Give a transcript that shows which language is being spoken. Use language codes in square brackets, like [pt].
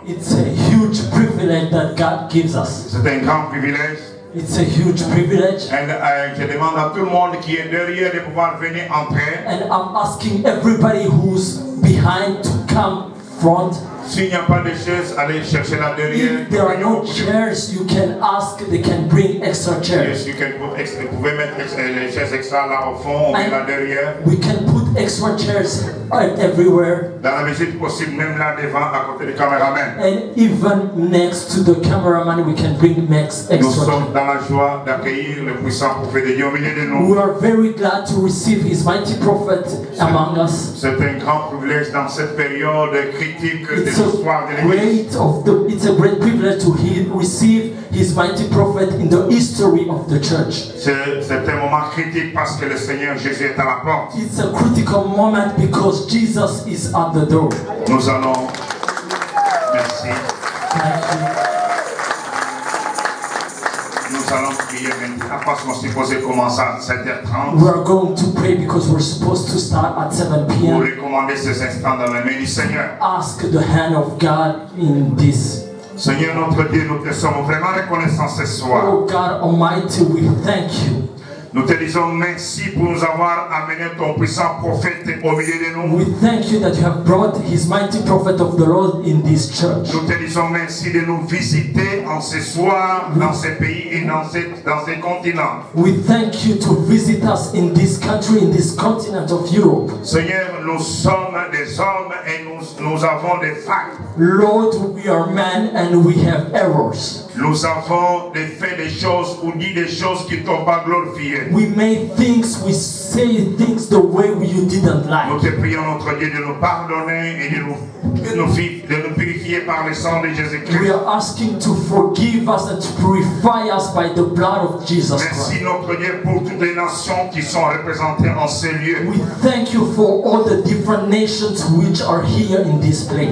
[en] It's a huge privilege that God gives us. [fr] C'est un grand privilège. [en] It's a huge privilege. [fr] And je demande à tout le monde qui est derrière de pouvoir venir entrer. [en] And I'm asking everybody who's behind to come front. [fr] S'il n'y a pas de chaise, allez chercher la derrière. [en] If there are no chairs, you can ask, they can bring extra chairs. Yes, you can put extra, [fr] vous pouvez mettre les chaises extra là au fond ou là derrière. [en] We can put extra chairs everywhere. [fr] Dans la mesure possible, même là devant, à côté du caméraman. [en] And even next to the cameraman, we can bring extra chairs. [fr] Nous sommes dans la joie d'accueillir le puissant prophète de Dieu au milieu de nous. [en] We are very glad to receive His mighty prophet among us. [fr] C'est un grand privilège dans cette période critique. [en] It's a great privilege to receive His mighty prophet in the history of the church. [fr] C'est un moment critique parce que le Seigneur Jésus est à la porte. [en] It's a critical moment because Jesus is at the door. [fr] Nous allons. Merci. [en] Thank you. [fr] Nous allons prier maintenant parce qu'on est supposé commencer à 7h30. [en] We are going to pray because we're supposed to start at 7 p.m. [fr] Pour recommander ces instants dans les mains du Seigneur. [en] Ask the hand of God in this. [fr] Seigneur notre Dieu, nous te sommes vraiment reconnaissants ce soir. [en] Oh God Almighty, we thank you. [fr] Nous te disons merci pour nous avoir amené ton puissant prophète au milieu de nous. [en] We thank you that you have brought His mighty prophet of the Lord in this church. [fr] Nous te disons merci de nous visiter en ce soir dans ce pays et dans ce continent. [en] We thank you to visit us in this country, in this continent of Europe. [fr] Seigneur, nous sommes des hommes et nous avons des failles. [en] Lord, we are men and we have errors. [fr] Nous avons fait des choses ou dit des choses qui ne t'ont pas glorifié. [en] We made things, we say things the way you didn't like. [fr] Nous te prions, notre Dieu, de nous pardonner et de nous purifier par le sang de Jésus-Christ. [en] We are asking to forgive us and to purify us by the blood of Jesus [fr] Merci, [en] Christ. [fr] Merci, notre Dieu, pour toutes les nations qui sont représentées en ce lieu. [en] We thank you for all the different nations which are here in this place.